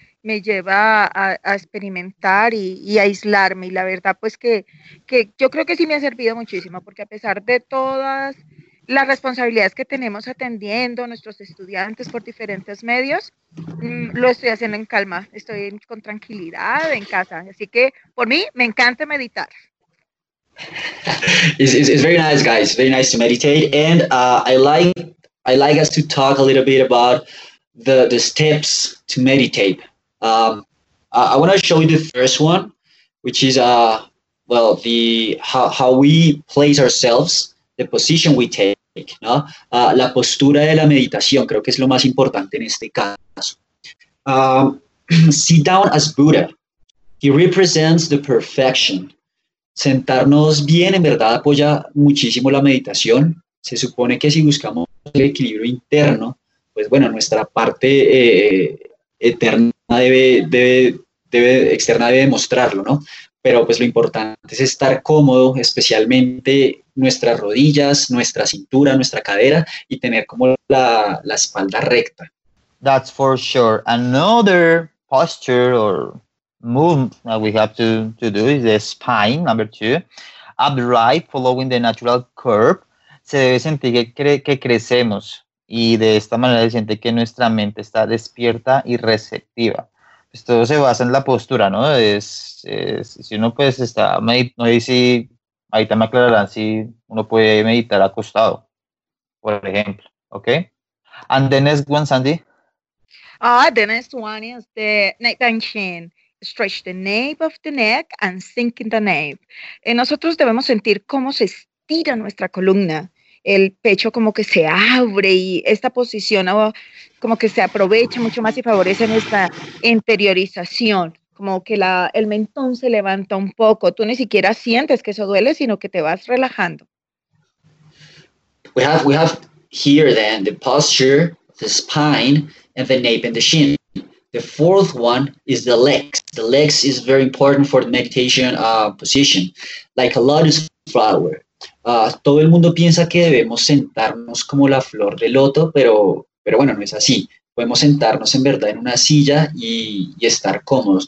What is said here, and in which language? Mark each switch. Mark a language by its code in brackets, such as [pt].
[es] Me lleva a experimentar y a aislarme, y la verdad pues que yo creo que sí me ha servido muchísimo, porque a pesar de todas las responsabilidades que tenemos atendiendo a nuestros estudiantes por diferentes medios, lo estoy haciendo en calma, estoy con tranquilidad en casa, así que por mí me encanta meditar. [en] It's very nice, guys, very nice to meditate, and I like us to talk a little bit about the steps to meditate. I want to show you the first one, which is how we place ourselves, the position we take, ¿no? [es] La postura de la meditación creo que es lo más importante en este caso. [en] Sit down as Buddha. He represents the perfection. [es] Sentarnos bien en verdad apoya muchísimo la meditación. Se supone que si buscamos el equilibrio interno, pues bueno, nuestra parte eterna debe externa debe demostrarlo, ¿no? Pero pues lo importante es estar cómodo, especialmente nuestras rodillas, nuestra cintura, nuestra cadera, y tener como la espalda recta. [en] That's for sure. Another posture or move that we have to do is the spine, number two. Upright, following the natural curve. [es] Se debe sentir que crecemos, y de esta manera se siente que nuestra mente está despierta y receptiva. esto se basa en la postura, ¿no? Si uno pues está meditando, no sé si ahí te me aclararán si uno puede meditar acostado, por ejemplo, ¿ok? [en] And the next one, Sandy. The next one is the neck tension. Stretch the nape of the neck and sink in the nape. [es] Nosotros debemos sentir cómo se estira nuestra columna. El pecho como que se abre y esta posición como que se aprovecha mucho más y favorece nuestra interiorización. Como que el mentón se levanta un poco. Tú ni siquiera sientes que eso duele, sino que te vas relajando. [en] We have here then the posture, the spine, and the nape and the shin. The fourth one is the legs. The legs is very important for the meditation position. Like a lotus flower. [es] Todo el mundo piensa que debemos sentarnos como la flor de loto, pero bueno, no es así. Podemos sentarnos en verdad en una silla y estar cómodos.